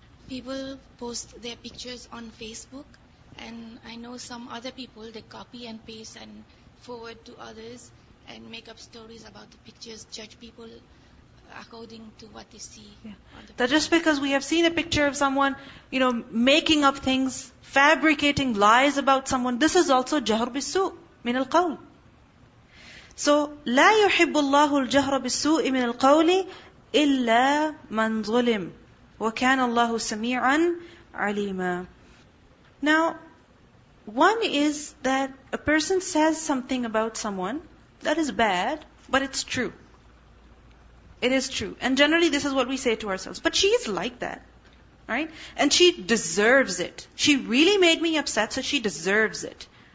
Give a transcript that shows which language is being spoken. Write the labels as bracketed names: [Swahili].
[English] People post their pictures on Facebook, and I know some other people, they copy and paste and forward to others and make up stories about the pictures, judge people according to what they see. That just because we have seen a picture of someone, you know, making up things, fabricating lies about someone, this is also jahr bisu min al qawl. [Arabic] So, لا يحب الله الجهر بالسوء من القول إلا من ظلم وكان الله سميعا عليما. [English] Now, one is that a person says something about someone that is bad, but it's true. It is true. And generally this is what we say to ourselves. But she is like that, right? And she deserves it. She really made me upset, so she deserves it.